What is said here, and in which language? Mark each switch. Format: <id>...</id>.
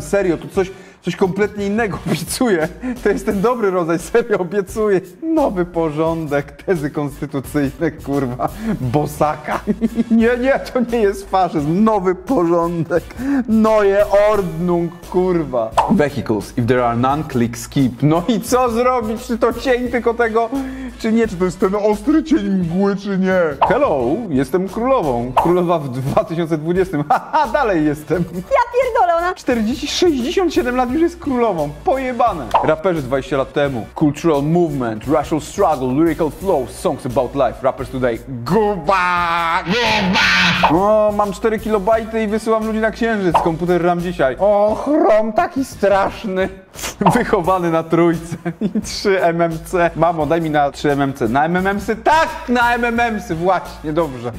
<pl>Serio, to coś kompletnie innego, obiecuję. To jest ten dobry rodzaj, serio, obiecuję. Nowy porządek, tezy konstytucyjne, kurwa, bosaka. Nie, nie, to nie jest faszyzm. Nowy porządek,</pl> <de>neue Ordnung,</de> <pl>kurwa.</pl> <en>Vehicles, if there are none, click skip.</en> <pl>No i co zrobić? Czy to cień tylko tego, czy nie? Czy to jest ten ostry cień mgły, czy nie? Hello, jestem królową. Królowa w 2020. Haha, dalej jestem. Ja pierdolę, ona. 40, 67 lat. Już jest królową, pojebane. Raperzy 20 lat temu.</pl> <en>Cultural movement, racial struggle, lyrical flow, songs about life. Rappers today. Guba! Guba!</en> <pl>O, mam 4 kilobajty i wysyłam ludzi na księżyc. Komputer RAM dzisiaj. O, chrom taki straszny. Wychowany na trójce i 3 MMC. Mamo, daj mi na 3 MMC. Na MMMsy? Tak, na MMMsy, właśnie, dobrze.</pl>